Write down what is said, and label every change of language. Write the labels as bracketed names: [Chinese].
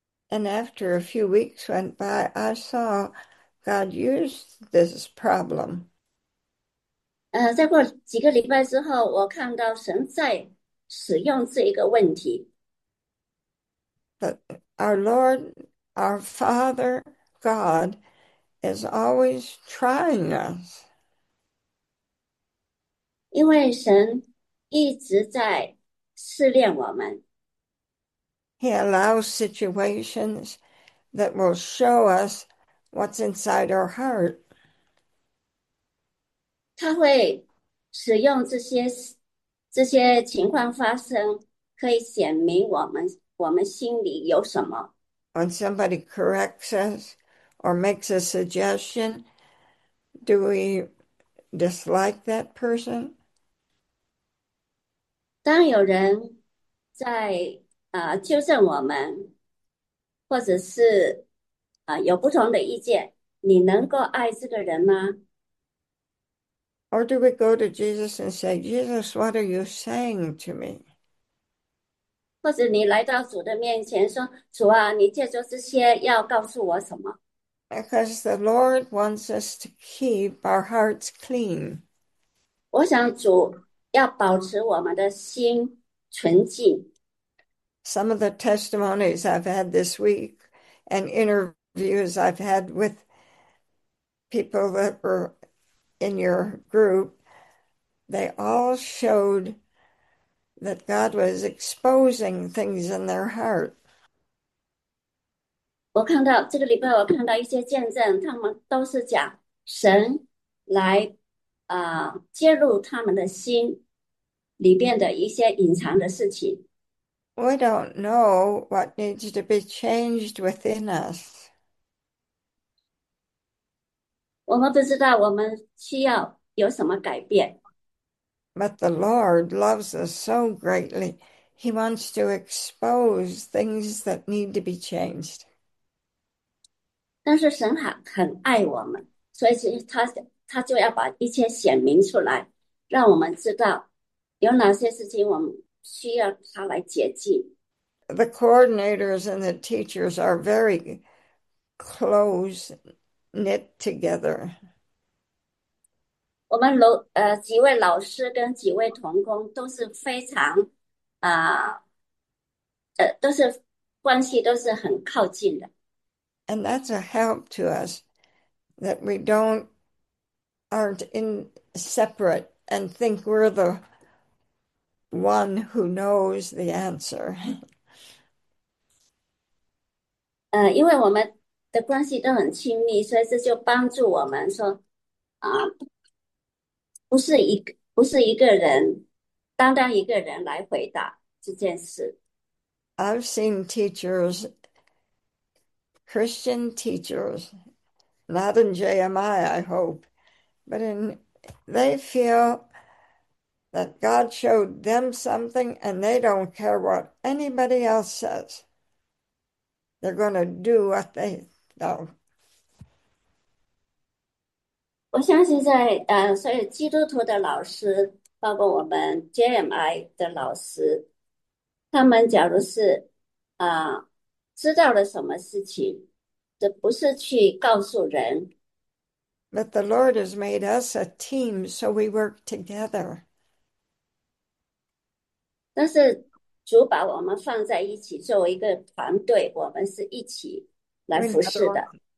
[English] And after a few weeks went by, I saw God used this problem. [Chinese] 再过几个礼拜之后，我看到神在使用这一个问题。 [English] But our Lord, our Father, God is always trying us. [Chinese] 因为神一直在试炼我们。 [English] He allows situations that will show us what's inside our heart. [Chinese] 他会使用这些情况发生，可以显明我们心里有什么。 [English] When somebody corrects us or makes a suggestion, do we dislike that person? [Chinese] 当有人在纠正我们，或者是有不同的意见，你能够爱这个人吗？ [English] Or do we go to Jesus and say, Jesus, what are you saying to me? [Chinese] 或者你来到主的面前说：“主啊，你借着这些要告诉我什么？” [English] Because the Lord wants us to keep our hearts clean. [Chinese] 我想主要保持我们的心纯净。 [English] Some of the testimonies I've had this week and interviews I've had with people that were in your group, they all showed that God was exposing things in their heart. [Chinese] 我看到这个礼拜，我看到一些见证，他们都是讲神来揭露他们的心里边的一些隐藏的事情。 [English] We don't know what needs to be changed within us. [Chinese] 我们不知道我们需要有什么改变。 [English] But the Lord loves us so greatly, He wants to expose things that need to be changed. [Chinese] 但是神还很爱我们，所以他就要把一切显明出来，让我们知道有哪些事情我们需要他来解禁？ [English] The coordinators and the teachers are very close-knit together. [Chinese] 我们几位老师跟几位同工都是非常都是关系都是很靠近的。 [English] And that's a help to us that we don't aren't in separate and think we're the one who knows the answer. [Chinese] 因为我们的关系都很亲密，所以这就帮助我们说，不是一个人，单单一个人来回答这件事。 [English] I've seen teachers. Christian teachers, not in JMI, I hope, but in they feel that God showed them something and they don't care what anybody else says. They're going to do what they know. [Chinese] 我相信所有基督徒的老师，包括我们 JMI 的老师，他们假如是知道了什么事情，这不是去告诉人。 [English] But the Lord has made us a team, so we work together. [Chinese] 但是主把我们放在一起，作为一个团队，我们是一起来服侍的。